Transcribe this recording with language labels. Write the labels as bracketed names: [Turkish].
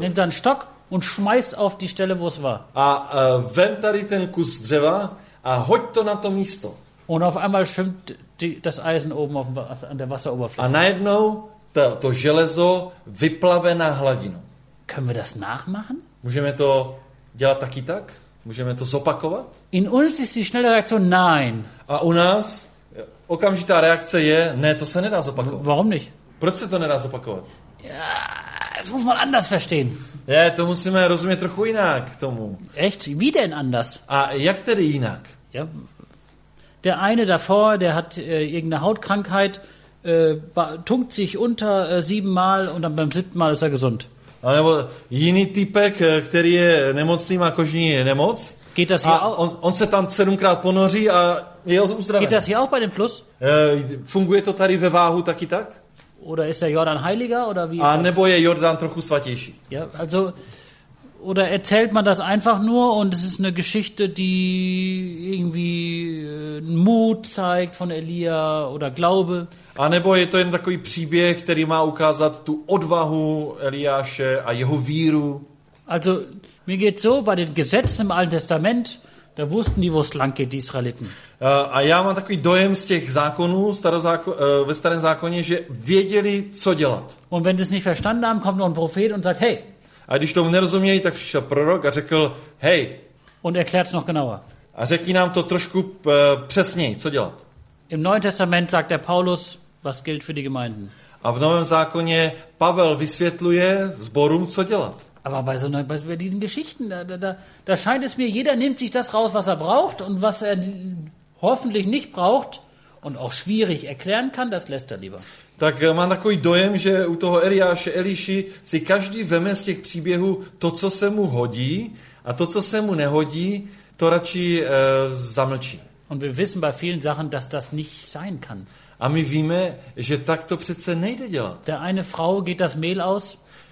[German] Nimm dann Stock und schmeißt auf die Stelle, wo es war. [Czech] A vem tady ten kus dřeva a hoď to na to místo. [German] Und auf einmal schwimmt das Eisen oben an der Wasseroberfläche. [Czech] A najednou to železo vyplave na hladinu. [German] Können wir das nachmachen? [Czech] Můžeme to dělat taky tak? Můžeme to zopakovat? [German] In uns ist die schnelle Reaktion nein. [Czech] A u nás okamžitá reakce je, ne, to se nedá zopakovat. [German] Warum nicht? [Czech] Proč se to nedá zopakovat? [German] Das muss man anders verstehen. [Czech] Je, to musíme rozumět trochu jinak k tomu. [German] Echt? Wie denn anders? [Czech] A jak tedy jinak? [German] Ja. Der eine davor, der hat irgendeine Hautkrankheit, tunkt sich unter siebenmal und dann beim siebten Mal ist er gesund. [Czech] A nebo jiný typek, který je nemocný, má kožní nemoc. [German] Geht das [Czech] a on se tam sedmkrát ponoří a je uzdravený. [German] Geht das hier auch bei dem Fluss? [Czech] Funguje to tady ve váhu taky tak? [German] Oder ist der Jordan heiliger oder wie? [Czech] A nebo je Jordan trochu svatější? [German] Ja, also oder erzählt man das einfach nur und es ist eine Geschichte, die irgendwie Mut zeigt von Elia oder Glaube. [Czech] A nebo je to jen takový příběh, který má ukázat tu odvahu Eliáše a jeho víru? [German] Also mir geht so bei den Gesetzen im Alten Testament. Da wussten die, wo es lang geht, die Israeliten. [Czech] A já mám takový dojem z těch zákonů ve starém zákoně, že věděli, co dělat. [German] Und wenn sie es nicht verstanden haben, kommt noch ein Prophet und sagt, hey. [Czech] A když tomu nerozumějí, tak přišel prorok a řekl: "Hej." [German] Und erklärt's noch genauer. [Czech] A řekni nám to trošku přesněji, co dělat. [German] Im Neuen Testament sagt der Paulus, was gilt für die Gemeinden. [Czech] A v Novém zákoně Pavel vysvětluje sborům, co dělat. [German] Aber bei so bei diesen Geschichten, da scheint es mir, jeder nimmt sich das raus, was er braucht und was er hoffentlich nicht braucht und auch schwierig erklären kann, das lässt er lieber. [Czech] Tak mám takový dojem, že u toho Eliáše Eliši si každý veme z těch příběhů to, co se mu hodí, a to, co se mu nehodí, to radši zamlčí. [German] Und wir wissen bei vielen Sachen, dass das nicht sein kann. [Czech] A my víme, že tak to přece nejde dělat. [German] Der eine Frau geht das Mehl aus.